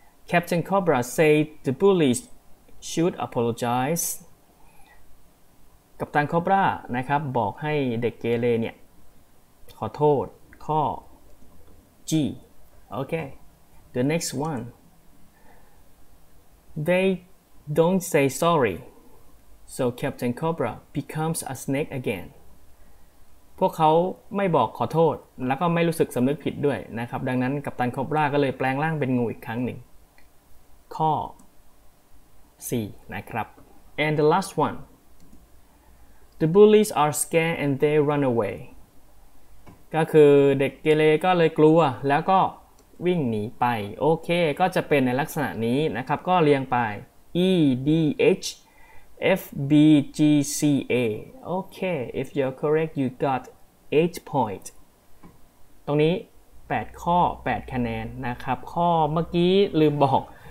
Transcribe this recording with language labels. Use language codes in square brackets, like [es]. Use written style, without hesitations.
[en] Captain Cobra say the bullies should apologize. [th] กัปตันคอบรานะครับบอกให้เด็กเกเรเนี่ยขอโทษข้อ G. [en] Okay. The next one. They don't say sorry, so Captain Cobra becomes a snake again. [th] พวกเขาไม่บอกขอโทษแล้วก็ไม่รู้สึกสำนึกผิดด้วยนะครับดังนั้นกัปตันคอบราก็เลยแปลงร่างเป็นงูอีกครั้งหนึ่งข้อ 4 นะครับ [en] And the last one. The bullies are scared and they run away. [th] ก็คือเด็กเกเรก็เลยกลัวแล้วก็วิ่งหนีไปโอเคก็จะเป็นในลักษณะนี้นะครับก็เรียงไป E D H F B G C A โอเค [en] if you're correct you got 8 point [th] ตรงนี้8ข้อ8คะแนนนะครับข้อเมื่อกี้ลืมบอก